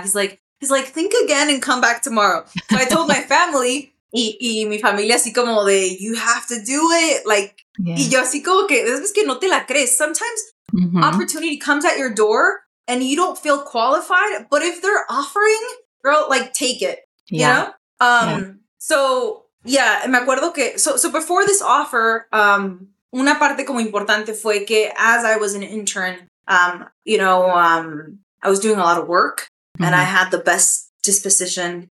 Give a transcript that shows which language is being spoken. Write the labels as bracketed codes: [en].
[en] He's like, think again and come back tomorrow. So I told my family, [es] y mi familia así como de, [en] you have to do it. Like, yeah. [es] Y yo así como que, es que no te la crees. [en] Sometimes opportunity comes at your door and you don't feel qualified, but if they're offering, girl, like take it. Yeah. You know? So yeah, [es] me acuerdo que [en] so before this offer, [es] una parte como importante fue que [en] as I was an intern, I was doing a lot of work and I had the best disposition.